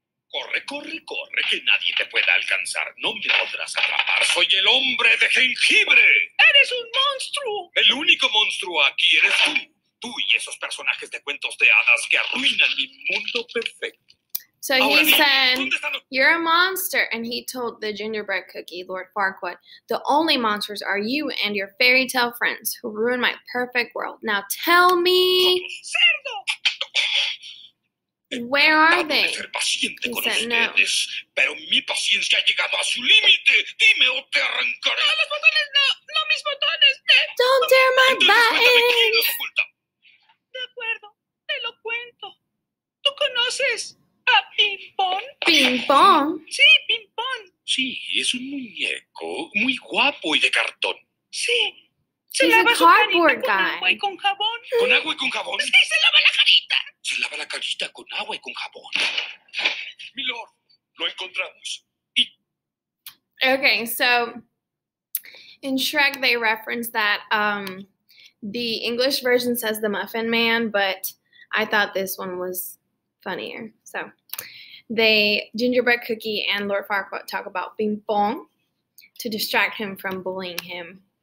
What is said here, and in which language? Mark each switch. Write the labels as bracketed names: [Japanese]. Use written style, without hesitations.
[Spanish] Corre, corre, corre, que nadie te pueda alcanzar. No me podrás atrapar. Soy el hombre de jengibre. Eres un monstruo. El único monstruo aquí eres tú. Tú y esos personajes de cuentos de hadas que arruinan mi mundo perfecto. [English] So he said, you're a monster, and he told the gingerbread cookie, Lord Farquaad, the only monsters are you and your fairy tale friends who ruin my perfect world. Now tell me, where are they? He said, no. [Spanish] Pero mi paciencia ha llegado a su límite. Dime o te arrancaré. No, los botones no, no mis botones. [English] Don't tear my buttons. [Spanish] De acuerdo, te lo cuento. Tú conoces a Ping-Pong. ¿Ping-Pong? Sí, Ping-Pong. Sí, es un muñeco muy guapo y de cartón. Sí. Se lava su carita con agua y con jabón. ¿Con agua y con jabón? Sí, se lava la carita. Se lava la carita con agua y con jabón. Milord, lo encontramos. Y... [English] Okay, so in Shrek they reference that the English version says the Muffin Man, but I thought this one was funnier. So, they gingerbread cookie and Lord Farquaad talk about Ping Pong to distract him from bullying him.